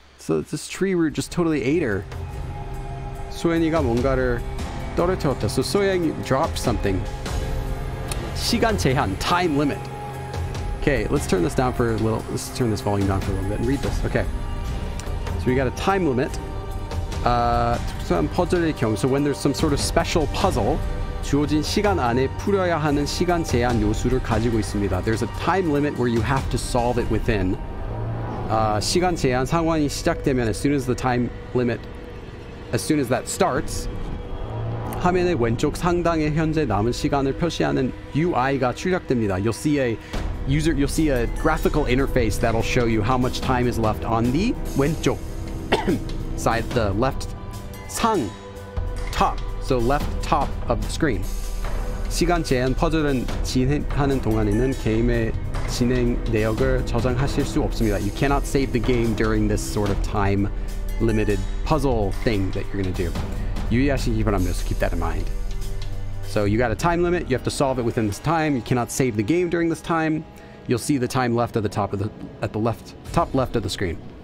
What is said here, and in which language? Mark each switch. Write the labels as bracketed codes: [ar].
[en] So this tree root just totally ate her. [ko] 소연이가 뭔가를 떨어뜨렸다. [en] So Soyeon dropped something. [ko] 시간 제한, [en] time limit. Okay, let's turn this down for a little. Let's turn this volume down for a little bit and read this. Okay. So we got a time limit. So when there's some sort of special puzzle, [ko] 주어진 시간 안에 풀어야 하는 시간 제한 요소를 가지고 있습니다. [en] There's a time limit where you have to solve it within. [ko] 시간 제한 상황이 시작되면 [en] as soon as the time limit, as soon as that starts, [ko] 화면의 왼쪽 상단에 현재 남은 시간을 표시하는 UI가 출력됩니다. [en] You'll see a user, you'll see a graphical interface that'll show you how much time is left on the [ko] 왼쪽 [en] side, the left 상 top. So left top of the screen. [ko] 시간 제한 퍼즐은 진행하는 동안에는 게임의 진행 내역을 저장하실 수 없습니다. [en] You cannot save the game during this sort of time limited puzzle thing that you're going to do. [ko] 유의하시기 바랍니다. [en] So keep that in mind. So you got a time limit. You have to solve it within this time. You cannot save the game during this time. You'll see the time left at the top of the, at the left, top left of the screen.